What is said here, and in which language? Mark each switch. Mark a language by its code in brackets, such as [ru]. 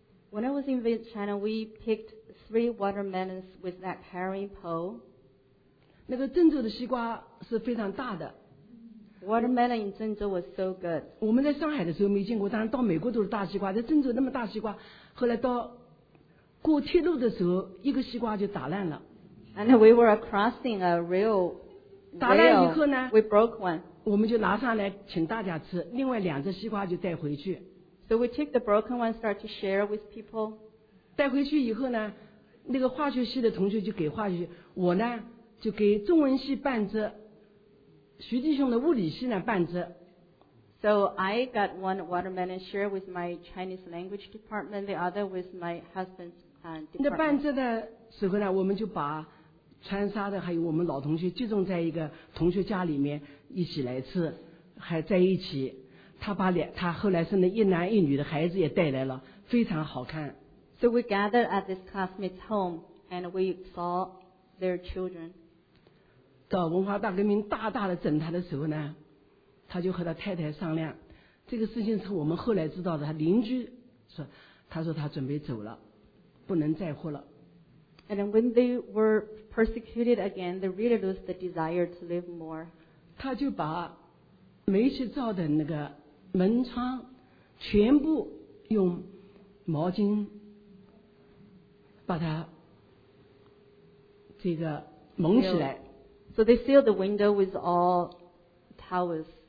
[en] When I was in China, we picked three watermelons with that paring pole. [zh] 那个郑州的西瓜是非常大的。 [en] Watermelon in 郑州 was so good. [zh] 我们在上海的时候没见过，当然到美国都是大西瓜，在郑州那么大西瓜，后来到。过铁路的时候，一个西瓜就打烂了。 [en] And we were crossing a rail. [zh] 打烂以后呢 [en] ？We broke one. [zh] 我们就拿上来请大家吃，另外两只西瓜就带回去。 [en] So we took the broken one, start to share with people. [zh] 带回去以后呢，那个化学系的同学就给化学，我呢就给中文系半只，徐弟兄的物理系呢半只。 [en] So I got one watermelon share with my Chinese language department, the other with my husband's department. [zh] 那半只的时候呢，我们就把川沙的还有我们老同学集中在一个同学家里面一起来吃，还在一起。他后来生了一男一女的孩子也带来了，非常好看。 [en] So we gathered at this classmate's home and we saw their children. [zh] 到文化大革命大大的整他的时候呢？他就和他太太商量，这个事情是我们后来知道的。他邻居说，他说他准备走了，不能再活了。 [en] And when they were persecuted again, they really lost the desire to live more. [zh] 他就把煤气灶的那个门窗全部用毛巾把它这个蒙起来。 [en] So they sealed the window with all towels.